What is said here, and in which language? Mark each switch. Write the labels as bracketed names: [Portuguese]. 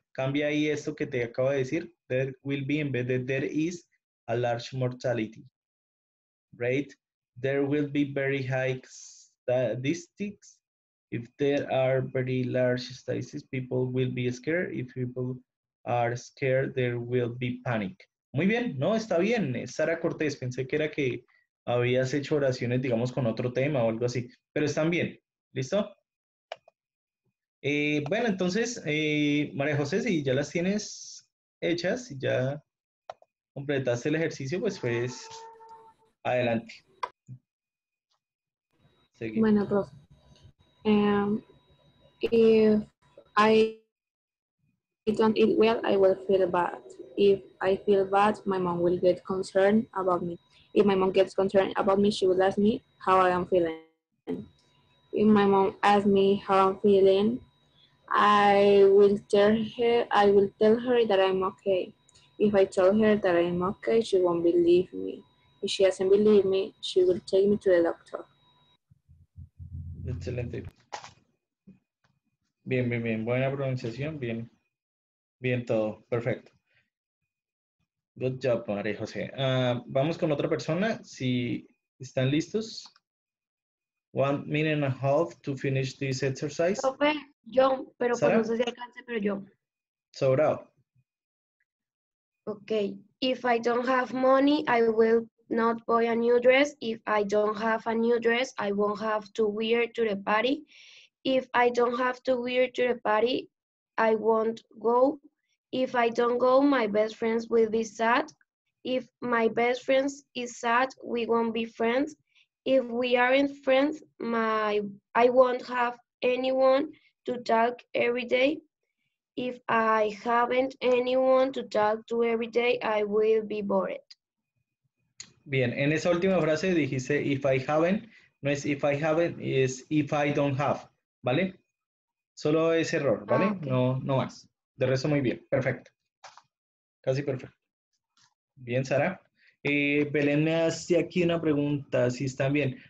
[Spanish] Cambia ahí esto que te acabo de decir. [English] There will be, [Spanish] en vez de [English] there is a large mortality. Right? There will be very high statistics. If there are very large statistics, people will be scared. If people are scared, there will be panic. [Spanish] Muy bien, no, está bien. Sara Cortés, pensé que era que habías hecho oraciones, digamos, con otro tema o algo así. Pero están bien. ¿Listo? Bueno, entonces, María José, si ya las tienes hechas, si ya completaste el ejercicio, pues adelante. Seguimos. Bueno, profe. [English] If I don't eat well, I will feel bad. If I feel bad, my mom will get concerned about me. If my mom gets concerned about me, she will ask me how I am feeling. If my mom asks me how I'm feeling, I will tell her that I'm okay. If I tell her that I'm okay, she won't believe me. If she doesn't believe me, she will take me to the doctor. [Spanish] Excelente. Bien, bien, bien. Buena pronunciación. Bien. Bien todo. Perfecto. [English] Good job, [Spanish] María José. Vamos con otra persona. Si están listos. [English] 1 minute and a half to finish this exercise. Okay. [Spanish] Yo, pero pues, no sé si alcance, pero yo. Sobrado. [English] Okay. If I don't have money, I will not buy a new dress. If I don't have a new dress, I won't have to wear to the party. If I don't have to wear to the party, I won't go. If I don't go, my best friends will be sad. If my best friends is sad, we won't be friends. If we aren't friends, I won't have anyone to talk every day. If I haven't anyone to talk to every day, I will be bored. [Spanish] Bien, en esa última frase dijiste [English] if I haven't, [Spanish] no es if I haven't, es [English] if I don't have, [Spanish] ¿vale? Solo ese error, ¿vale? Ah, okay. No más. De resto, muy bien. Perfecto. Casi perfecto. Bien, Sara. Belén me hace aquí una pregunta, si están bien.